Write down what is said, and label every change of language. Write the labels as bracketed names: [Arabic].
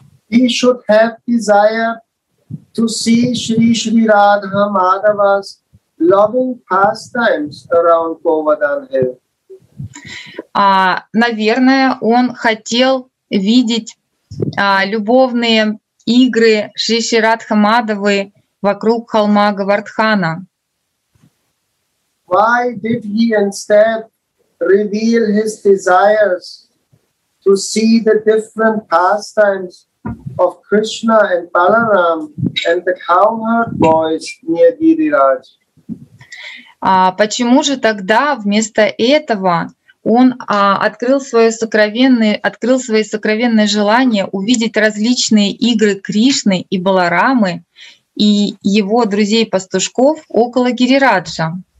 [English] He should have desire to see Shri Shri Radha Madhava's loving pastimes around Govardhan Hill. [Russian] Наверное, он хотел видеть любовные игры Шри Шри Радха Мадхавы вокруг холма Говардхана. [English] Why did he instead reveal his desires to see the different pastimes of Krishna and Balaram and the cowherd boys near Giriraj? [Russian] Почему же тогда вместо этого он открыл свои сокровенные желания увидеть различные игры Кришны и Баларамы и его друзей-пастушков около Гирираджа?